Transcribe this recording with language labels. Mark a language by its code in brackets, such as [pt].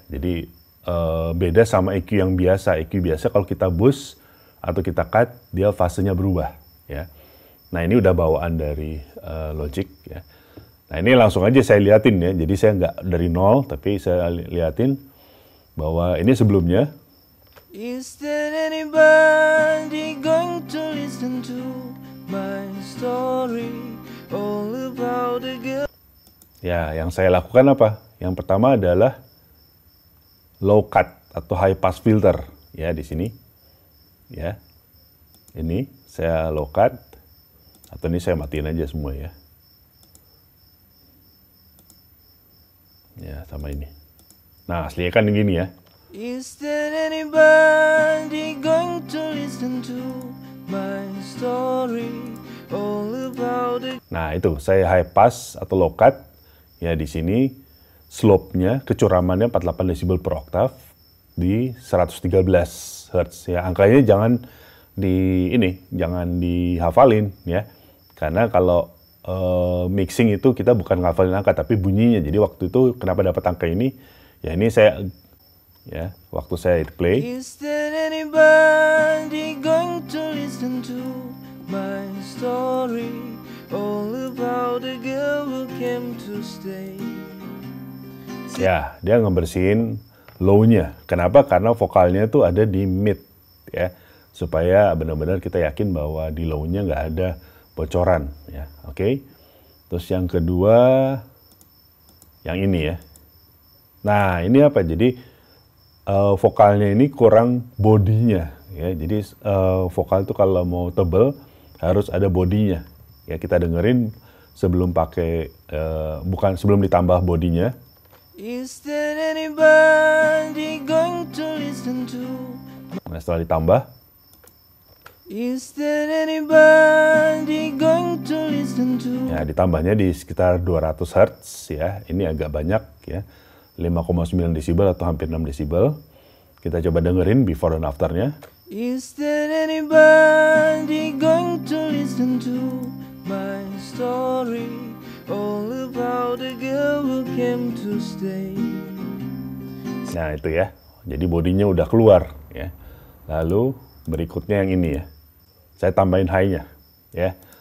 [id] Jadi beda sama EQ yang biasa. EQ biasa kalau kita boost atau kita cut, dia fasenya berubah ya. Nah, ini udah bawaan dari Logic ya. Nah, ini langsung aja saya liatin ya. Jadi saya nggak dari nol, tapi saya liatin bahwa ini sebelumnya. [en] Is there anybody going to listen to my story all about the girl? [id] Ya, yang saya lakukan apa? Yang pertama adalah low cut atau high pass filter ya di sini. Ya. Ini saya low cut atau ini saya matiin aja semua ya. Ya, sama ini. Nah, aslinya kan gini ya. [en] Is there anybody going to listen to my story all about it? [id] Nah, itu saya high pass atau low cut ya di sini. Slope-nya, kecuramannya 48 desibel per oktav di 113 Hz ya. Angkanya jangan di ini, jangan dihafalin ya. Karena kalau mixing itu kita bukan ngafalin angka tapi bunyinya. Jadi waktu itu kenapa dapat angka ini? Ya ini saya ya, waktu saya hit play. Is there anybody going to listen to my story all about the girl who came to stay? Ya, dia ngebersihin low-nya. Kenapa? Karena vokalnya tuh ada di mid, ya. Supaya benar-benar kita yakin bahwa di low-nya nggak ada bocoran, ya. Oke. Okay. Terus yang kedua, yang ini ya. Nah, ini apa? Jadi vokalnya ini kurang bodinya, ya. Jadi vokal tuh kalau mau tebel harus ada bodinya. Ya, kita dengerin sebelum pakai bukan sebelum ditambah bodinya. [en] Is there anybody going to listen to? [id] Nah, setelah ditambah. [en] Is there anybody going to listen to? [id] Ya, ditambahnya di sekitar 200 Hz ya. Ini agak banyak ya. 5,9 desibel atau hampir 6 desibel. Kita coba dengerin before dan afternya. [en] Is there anybody going to listen to my story? All about the girl who came to stay. [id] Nah, itu ya. Jadi bodinya udah keluar ya. Lalu berikutnya yang ini ya. Saya tambahin high-nya ya.